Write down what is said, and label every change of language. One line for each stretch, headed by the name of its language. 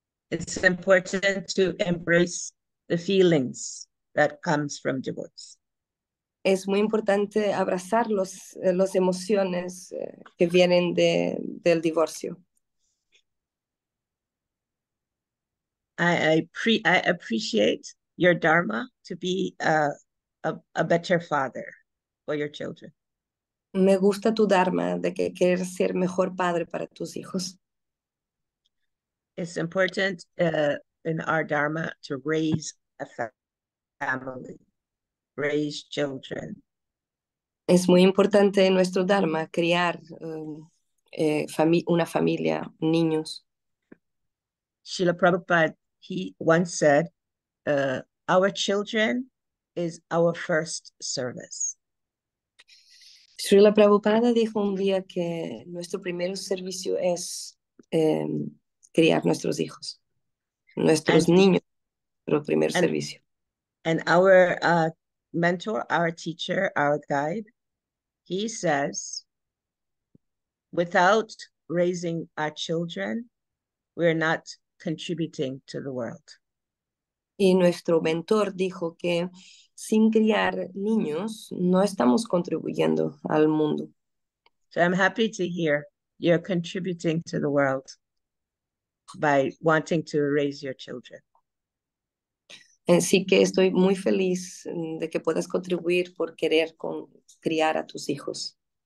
English: It's important to embrace the feelings that comes from divorce.
Spanish: Es muy importante abrazar los emociones que vienen del divorcio.
English: I appreciate your dharma to be a better father for your children.
Spanish: Me gusta tu dharma de que querer ser mejor padre para tus hijos.
English: It's important in our dharma to raise a family, raise children.
Spanish: Es muy importante en nuestro dharma criar una familia, niños.
English: Srila Prabhupada, he once said, our children is our first service.
Spanish: Srila Prabhupada dijo un día que nuestro primer servicio es criar nuestros hijos, nuestros niños, nuestro primer servicio.
English: And our mentor, our teacher, our guide, he says, without raising our children, we are not contributing to the world.
Spanish: Y nuestro mentor dijo que sin criar niños, no estamos contribuyendo al mundo.
English: So I'm happy to hear you're contributing to the world by wanting to raise your children.
Spanish: Así que estoy muy feliz de que puedas contribuir por querer criar a tus hijos.